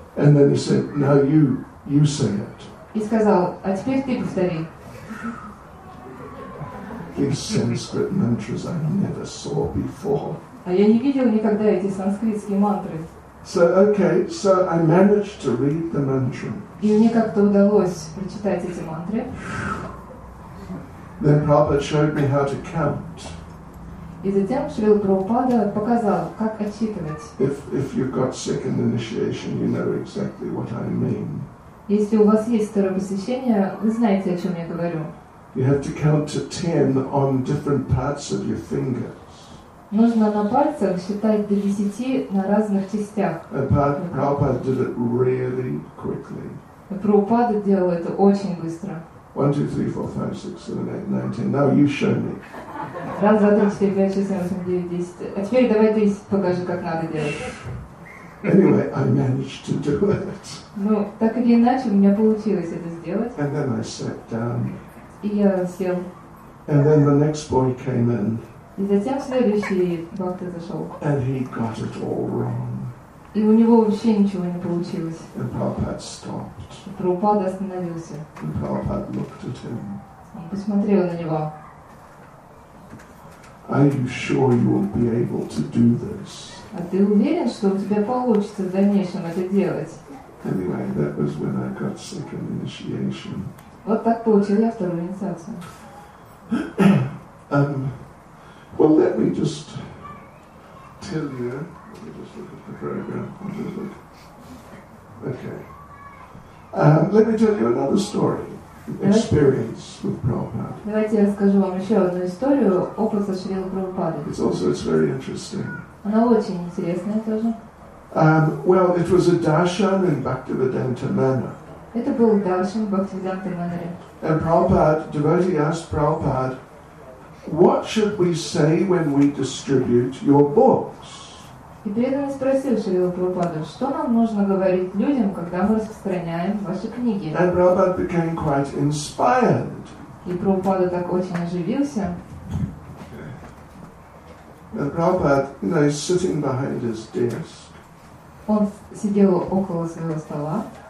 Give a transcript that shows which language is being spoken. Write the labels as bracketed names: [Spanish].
[English] And then he said, now you say it. [Russian] И сказал, а теперь ты повтори. [English] These Sanskrit mantras I never saw before. [Russian] А я не видел никогда эти санскритские мантры. [English] So okay, so I managed to read the mantras. [Russian] И мне как-то удалось прочитать эти мантры. [English] Then Prabhupada showed me how to count. [Russian] И затем Шрила Прабхупада показал, как отсчитывать. [English] If you've got second initiation, you know exactly what I mean. [Russian] Если у вас есть второе посвящение, вы знаете, о чем я говорю. [English] You have to count to 10 on different parts of your fingers. [Russian] Нужно на пальцах считать до 10 на разных частях. [English] Prabhupada did it really quickly. [Russian] Прабхупада делал это очень быстро. [English] 1, 2, 3, 4, 5, 6, 7, 8, 9, 10. Now you show me. [Russian] 1, 2, 3, 4, 5, 6, 7, 8, 9, 10. А теперь давай ты покажи, как надо делать. [English] Anyway, I managed to do it. [Russian] Ну, так или иначе, у меня получилось это сделать. [English] And then I sat down. [Russian] И я сел. [English] And then the next boy came in. [Russian] И затем следующий бхакта зашел. [English] And he got it all wrong. [Russian] И у него вообще ничего не получилось. [English] And Prabhupada stopped. [Russian] И Прабхупада остановился. [English] And Prabhupada looked at him. [Russian] Он посмотрел на него. [English] Are you sure you will be able to do this? [Russian] А ты уверен, что у тебя получится в дальнейшем это делать? [English] Anyway, that was when I got second initiation. [Russian] Вот так получил я вторую инициацию. [English] Well, let me just tell you. Let me just look at the program. I'll just look. Okay. Let me tell you another story. Experience with Prabhupada. [Russian] Давайте я расскажу вам еще одну историю. Опыт со Шрилой Прабхупадой. [English] It's very interesting. [Russian] Она очень интересная тоже. [English] Well, it was a darshan in Bhaktivedanta Manor. [Russian] Это был даршан в Бхактивиданта Манере. [English] And Prabhupada, devotee asked Prabhupada, what should we say when we distribute your books? [Russian] И преданный спросил Шрилу Прабхупаду, что нам нужно говорить людям, когда мы распространяем ваши книги? [English] And Prabhupada became quite inspired. [Russian] И Прабхупада так очень оживился. [English] And Prabhupada, you know, sitting behind his desk. [Russian] Он сидел около своего стола.